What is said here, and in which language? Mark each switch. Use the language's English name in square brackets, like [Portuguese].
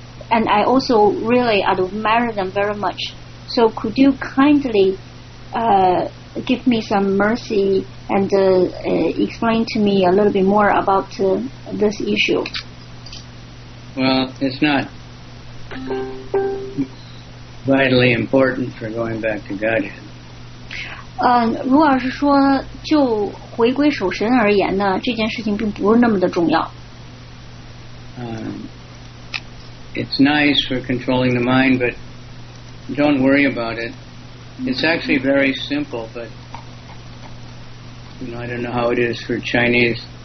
[English] and I also really admire them very much. So could you kindly give me some mercy and explain to me a little bit more about this issue? Well, it's not vitally important for going back to Godhead. [Chinese] 如果是说就回归守神而言呢，这件事情并不是那么的重要。 [English] It's nice for controlling the mind, but don't worry about it. It's actually very simple, but you know, I don't know how it is for Chinese.